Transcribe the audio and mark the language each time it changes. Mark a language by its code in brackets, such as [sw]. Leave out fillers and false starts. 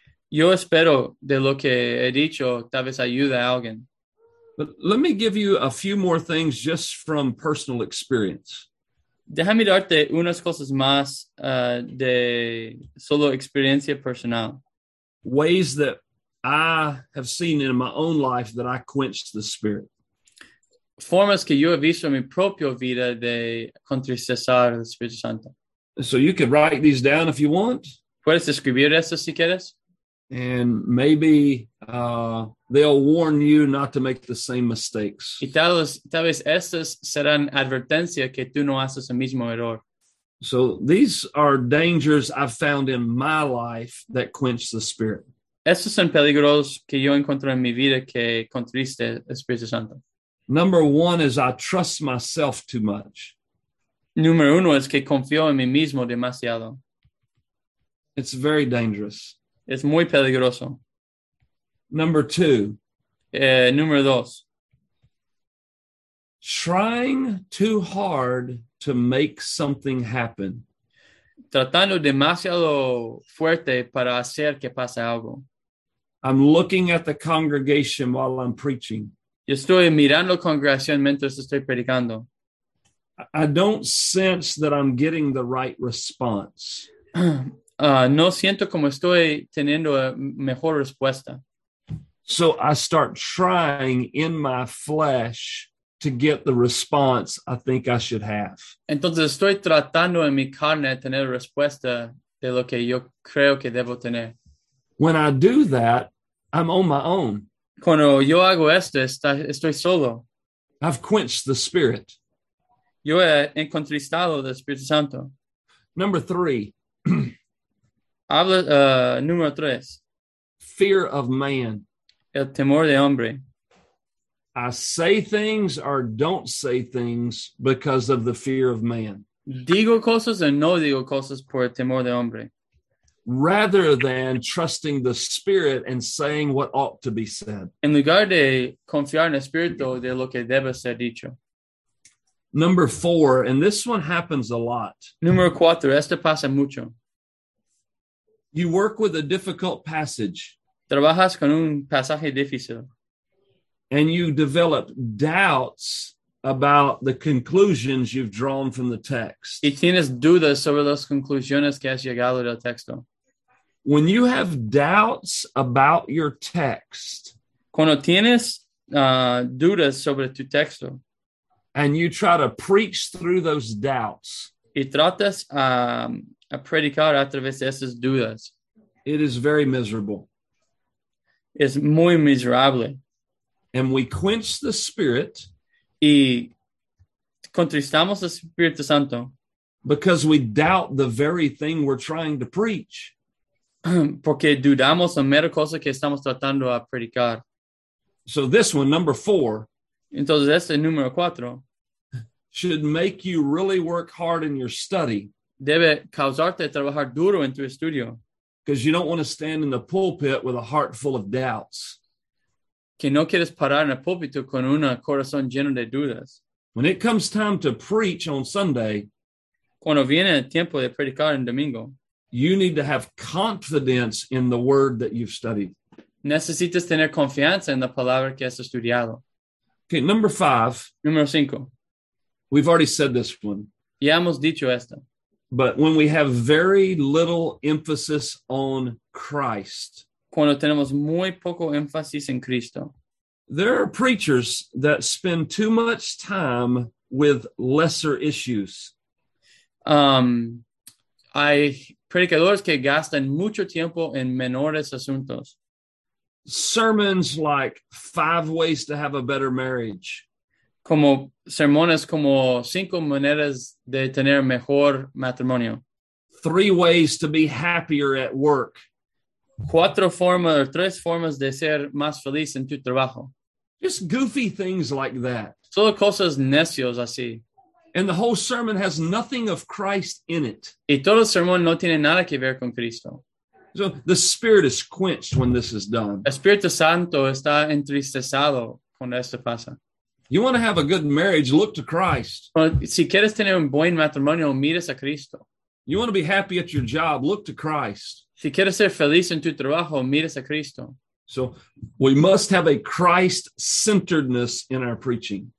[es] Yo espero de lo que he dicho tal vez ayude a alguien. [en] But let me give you a few more things just from personal experience. [es] Déjame darte unas cosas más de solo experiencia personal. [en] Ways that I have seen in my own life that I quenched the Spirit. [es] Formas que yo he visto en mi propia vida de contristar el Espíritu Santo. [en] So you can write these down if you want. [es] Puedes escribir eso si quieres. [en] And maybe they'll warn you not to make the same mistakes. [es] Y tal vez estas serán advertencia que tú no haces el mismo error. [en] So these are dangers I've found in my life that quench the Spirit. [es] Estos son peligros que yo encuentro en mi vida que contriste el Espíritu Santo. [en] Number one is I trust myself too much. [es] Número uno es que confío en mí mismo demasiado. [en] It's very dangerous. [es] Es muy peligroso. [en] Number two. [es] Número dos. [en] Trying too hard to make something happen. [es] Tratando demasiado fuerte para hacer que pase algo. [en] I'm looking at the congregation while I'm preaching. [es] Yo estoy mirando congregación mientras estoy predicando. [en] I don't sense that I'm getting the right response. [es] No siento como estoy teniendo la mejor respuesta. [en] So I start trying in my flesh to get the response I think I should have. [es] Entonces estoy tratando en mi carne tener respuesta de lo que yo creo que debo tener. [en] When I do that, I'm on my own. [es] Cuando yo hago esto, estoy solo. [en] I've quenched the Spirit. [es] Yo he encontristado el Espíritu Santo. [en] Number three. [es] Habla, número tres. [en] Fear of man. [es] El temor de hombre. [en] I say things or don't say things because of the fear of man. [es] Digo cosas o no digo cosas por el temor de hombre. [en] Rather than trusting the Spirit and saying what ought to be said. [es] En lugar de confiar en el Espíritu de lo que debe ser dicho. [en] Number four, and this one happens a lot. [es] Número cuatro, esto pasa mucho. [en] You work with a difficult passage. [es] Trabajas con un pasaje difícil. [en] And you develop doubts about the conclusions you've drawn from the text. [es] Y tienes dudas sobre las conclusiones que has llegado del texto. [en] When you have doubts about your text. [es] Cuando tienes dudas sobre tu texto. [en] And you try to preach through those doubts. [es] Y tratas a predicar a través de esas dudas. [en] It is very miserable. [es] Es muy miserable. [en] And we quench the Spirit. [es] Y contristamos el Espíritu Santo. [en] Because we doubt the very thing we're trying to preach. [es] Porque dudamos la mera cosa que estamos tratando a predicar. [en] So this one, number four. [es] Entonces, este número cuatro. [en] Should make you really work hard in your study. [es] Debe causarte trabajar duro en tu estudio. [en] Because you don't want to stand in the pulpit with a heart full of doubts. [es] Que no quieres parar en el púlpito con un corazón lleno de dudas. [en] When it comes time to preach on Sunday. [es] Cuando viene el tiempo de predicar en domingo. [en] You need to have confidence in the word that you've studied. [es] Necesitas tener confianza en la palabra que has estudiado. [en] Okay, number five. [es] Número cinco. [en] We've already said this one. [es] Ya hemos dicho esto. [en] But when we have very little emphasis on Christ. [es] Cuando tenemos muy poco énfasis en Cristo. [en] There are preachers that spend too much time with lesser issues. [es] Hay predicadores que gastan mucho tiempo en menores asuntos. [en] Sermons like five ways to have a better marriage. [es] Como sermones como cinco maneras de tener mejor matrimonio. [en] Three ways to be happier at work. [es] Cuatro formas o tres formas de ser más feliz en tu trabajo. [en] Just goofy things like that. [es] Solo cosas necios así. [en] And the whole sermon has nothing of Christ in it. [es] Y todo el sermón no tiene nada que ver con Cristo. [en] So the Spirit is quenched when this is done. [es] El Espíritu Santo está entristecido cuando esto pasa. [en] You want to have a good marriage, look to Christ. [es] Si quieres tener un buen matrimonio, mires a Cristo. [en] You want to be happy at your job, look to Christ. [es] Si quieres ser feliz en tu trabajo, mires a Cristo. [en] So we must have a Christ-centeredness in our preaching.